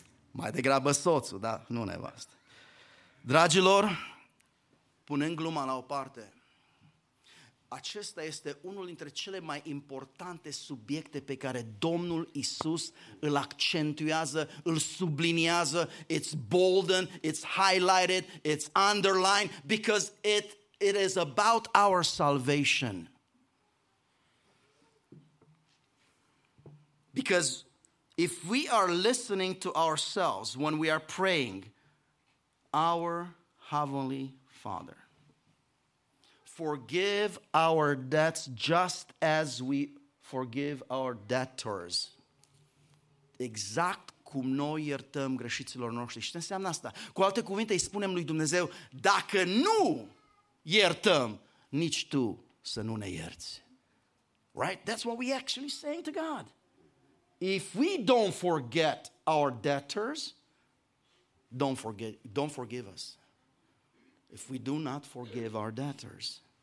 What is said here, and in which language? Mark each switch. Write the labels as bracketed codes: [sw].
[ro] Mai degrabă soțul, da? Nu nevastă. Dragilor, punând gluma la o parte, acesta este unul dintre cele mai importante subiecte pe care Domnul Iisus îl accentuează, îl subliniază. [en] It's bolded, it's highlighted, it's underlined, because it is about our salvation. Because if we are listening to ourselves when we are praying, our Heavenly Father, forgive our debts just as we forgive our debtors. [ro] Exact cum noi iertăm greșiților noștri. Și ce înseamnă asta? Cu alte cuvinte, îi spunem lui Dumnezeu, dacă nu iertăm, nici tu să nu ne ierți. [en] Right? That's what we actually saying to God. If we don't forget our debtors, don't forgive us. If we do not forgive our debtors.